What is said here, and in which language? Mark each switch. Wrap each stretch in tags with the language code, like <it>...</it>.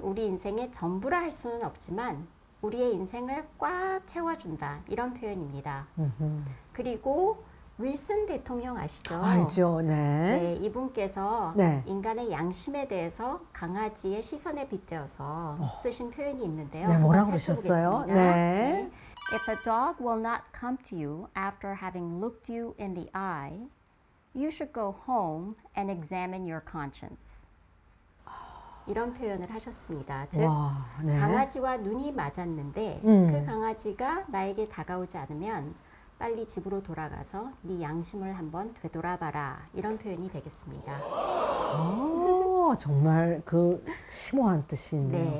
<ko>우리 인생의 전부라 할 수는 없지만 우리의 인생을 꽉 채워준다. 이런 표현입니다. 그리고 윌슨 대통령 아시죠? 알죠, 네. 네, 이분께서 네. 인간의 양심에 대해서 강아지의 시선에 빗대어서 쓰신 표현이 있는데요. 네, 뭐라고 그러셨어요? 네. 네.</ko> <en>If a dog will not come to you after having looked you in the eye, you should go home and examine your conscience.</en> <ko>이런 표현을 하셨습니다. 즉, 와, 네. 강아지와 눈이 맞았는데 그 강아지가 나에게 다가오지 않으면 빨리 집으로 돌아가서 네 양심을 한번 되돌아 봐라. 이런 표현이 되겠습니다. 정말 그 심오한 뜻이 있네요.</ko>